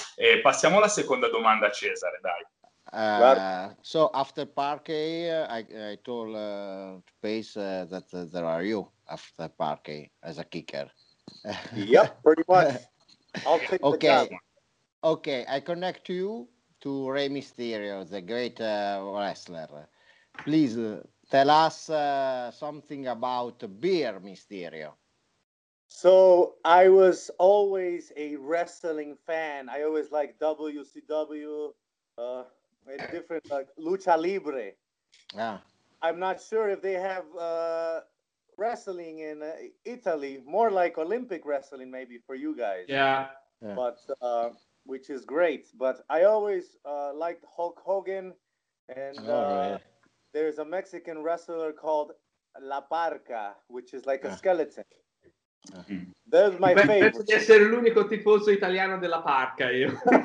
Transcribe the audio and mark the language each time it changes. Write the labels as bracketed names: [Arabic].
[Italian] E passiamo alla seconda domanda a Cesare, dai. [English] So after Parquet, I told Pace that there are you after Parquet as a kicker. Yep, pretty much. I'll take okay. The job. Okay, I connect you to Rey Mysterio, the great wrestler. Please tell us something about Bear Mysterio. So I was always a wrestling fan. I always liked WCW. A different lucha libre. Yeah. I'm not sure if they have wrestling in Italy, more like Olympic wrestling maybe for you guys. Yeah. But which is great. But I always liked Hulk Hogan, and there's a Mexican wrestler called la parca, which is like a skeleton. That's my favorite. [Italian] Penso di essere l'unico tifoso italiano della parca, io.